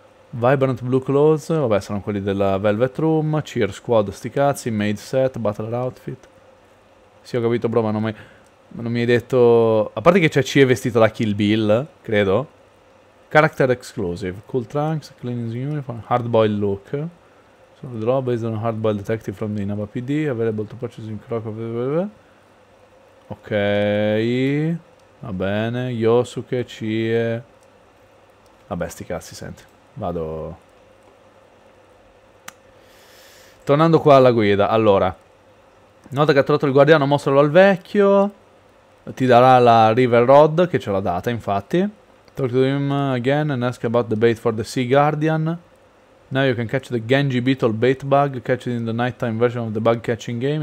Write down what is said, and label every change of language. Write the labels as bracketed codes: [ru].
[en] Vibrant blue clothes. [it] Vabbè, saranno quelli della Velvet Room. Cheer squad, sti cazzi. [en] Maid set, butler outfit. [it] Sì, ho capito, bro, ma non mai. Ma non mi hai detto... A parte che c'è C vestito da Kill Bill, credo. [en] Character exclusive. Cool trunks, clean uniform, hardboiled look. So the draw based on hardboiled detective from the Inaba PD. Available to purchase in Croco. Ok. [it] Va bene. Yosuke, Cie. Vabbè, sti cazzi, senti. Vado. Tornando qua alla guida. Allora. Nota che ha trovato il guardiano, mostralo al vecchio. Ti darà la River Rod, che ce l'ha data, infatti. [en] Talk to him again and ask about the bait for the Sea Guardian. Now you can catch the Genji Beetle bait bug. Catch it in the nighttime version of the bug catching game.